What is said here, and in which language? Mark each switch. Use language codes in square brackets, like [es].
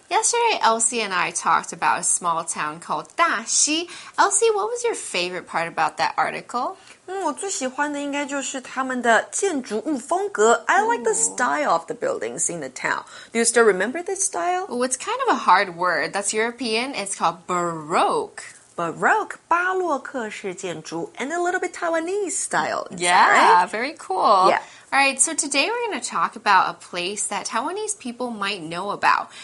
[en] Yesterday, Elsie and I talked about a small town called Daxi. Elsie, what was your favorite part about that article? [zh] 我最喜欢的应该就是他们的建筑物风格。 [en] I like the style of the buildings in the town. Do you still remember this style? Well, it's kind of a hard word. That's European. It's called Baroque. Baroque, 巴洛克式建筑 and a little bit Taiwanese style. Yeah, right? Very cool. Yeah. All right, so today we're going to talk about a place that Taiwanese people might know about.